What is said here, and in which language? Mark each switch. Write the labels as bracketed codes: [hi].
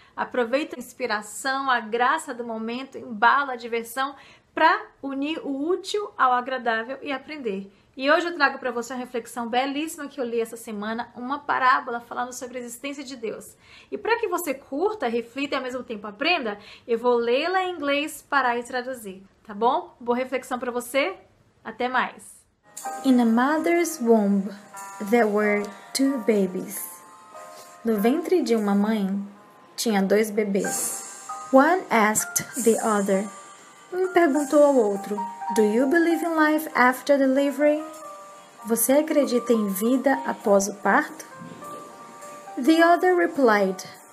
[pt] Aproveito a inspiração, a graça do momento, embalo a diversão para unir o útil ao agradável e aprender. E hoje eu trago para você uma reflexão belíssima que eu li essa semana, uma parábola falando sobre a existência de Deus. E para que você curta, reflita e ao mesmo tempo aprenda, eu vou lê-la em inglês, parar e traduzir, tá bom? Boa reflexão para você, até mais! [en] In a mother's womb, there were two babies. [pt] No ventre de uma mãe, tinha dois bebês. [en] One asked the other. [pt] Um perguntou ao outro, [en] Do you believe in life after delivery? [pt] Você acredita em vida após o parto? [en] The other replied.